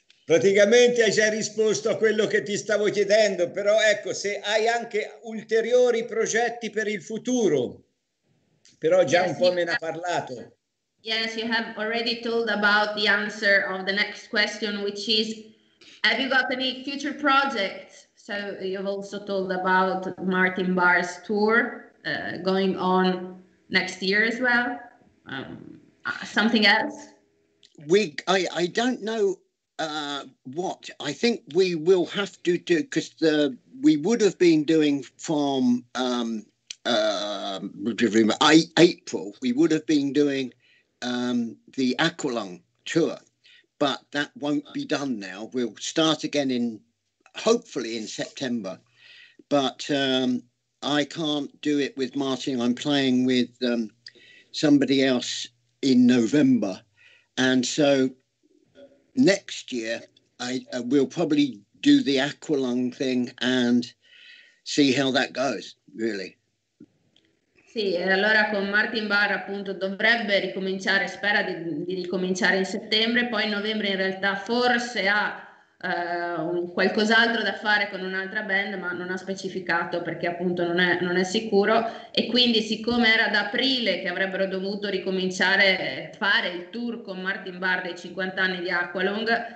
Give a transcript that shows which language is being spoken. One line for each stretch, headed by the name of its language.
Italian: Praticamente hai già risposto a quello che ti stavo chiedendo, però ecco, se hai anche ulteriori progetti per il futuro, però già un po' me ne ha parlato.
English: Yes, you have already told about the answer of the next question, which is, have you got any future projects? So you've also told about Martin Barr's tour going on next year as well. Something else? I don't know. What I think we will have to do, because the we would have been doing from April, we would have been doing the Aqualung tour, but that won't be done now. We'll start again in hopefully in September, but I can't do it with Martin. I'm playing with somebody else in November, and so next year, I will probably do the Aqualung thing and see how that goes, really.
Italian: Sì, allora con Martin Barr appunto dovrebbe ricominciare, spera di ricominciare in settembre, poi in novembre in realtà forse ha qualcos'altro da fare con un'altra band, ma non ha specificato perché appunto non è sicuro, e quindi siccome era ad aprile che avrebbero dovuto ricominciare fare il tour con Martin Barr dei 50 anni di Aqualung,